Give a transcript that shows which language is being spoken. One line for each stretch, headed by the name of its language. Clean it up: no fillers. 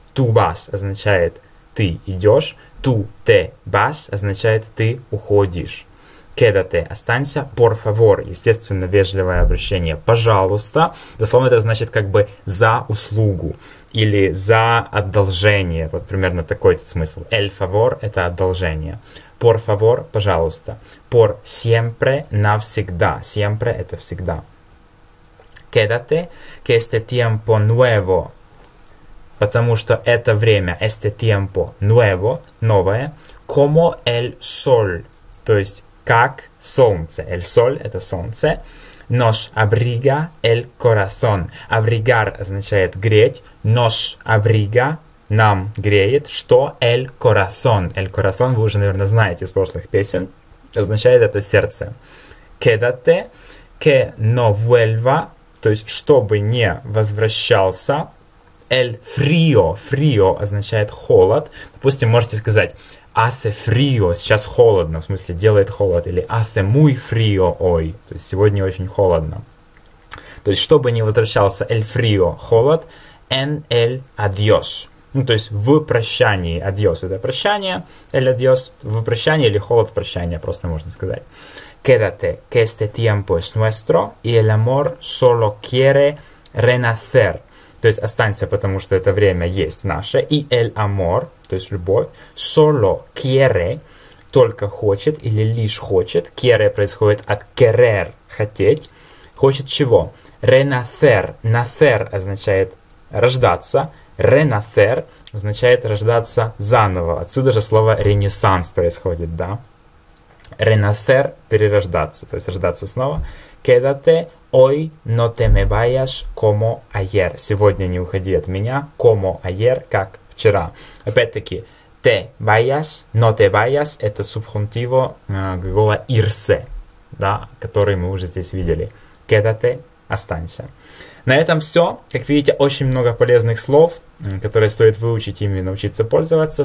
Spanish: Tu vas
Russian: означает ты идешь.
Spanish: Tu te vas
Russian: означает ты уходишь. Quédate, останься,
Spanish: por favor,
Russian: естественно, вежливое обращение, пожалуйста. Дословно это значит как бы за услугу или за одолжение. Вот примерно такой смысл.
Spanish: El favor
Russian: – это одолжение.
Spanish: Por favor – пожалуйста. Por siempre – навсегда.
Russian: Siempre – это всегда.
Spanish: Quédate, que este tiempo nuevo.
Russian: Потому что это время,
Spanish: este tiempo nuevo,
Russian: новое,
Spanish: como el sol,
Russian: то есть как солнце. El sol – это солнце.
Spanish: Nos abriga el corazón.
Russian: Abrigar означает греть.
Spanish: Nos abriga,
Russian: нам греет.
Spanish: Что? El corazón. El corazón,
Russian: вы уже, наверное, знаете из прошлых песен. Означает это сердце.
Spanish: Quédate, que no vuelva,
Russian: то есть чтобы не возвращался.
Spanish: El frío.
Russian: Frío означает холод. Допустим, можете сказать
Spanish: hace frío,
Russian: сейчас холодно, в смысле делает холод, или
Spanish: hace muy frío hoy,
Russian: то есть сегодня очень холодно. То есть, чтобы не возвращался
Spanish: el frío,
Russian: холод,
Spanish: en el adiós,
Russian: ну, то есть в прощании, adiós это прощание,
Spanish: el adiós
Russian: в прощании или холод прощания, просто можно сказать.
Spanish: Quédate, que este tiempo es nuestro, y el amor solo quiere renacer.
Russian: То есть останься, потому что это время есть наше. И
Spanish: el amor,
Russian: то есть любовь.
Spanish: Solo quiere,
Russian: только хочет или лишь хочет. Quiere происходит от querer, хотеть. Хочет чего? Renacer. Nacer означает рождаться. Renacer означает рождаться заново. Отсюда же слово ренессанс происходит, да? Renacer, перерождаться, то есть рождаться снова.
Spanish: Quédate. Hoy no te me vayas como ayer.
Russian: Сегодня не уходи от меня,
Spanish: como ayer,
Russian: как вчера. Опять-таки,
Spanish: te vayas, no te vayas,
Russian: это субхунтиво глагола irse, да, который мы уже здесь видели. Quédate, останься. На этом все. Как видите, очень много полезных слов, которые стоит выучить ими и научиться пользоваться.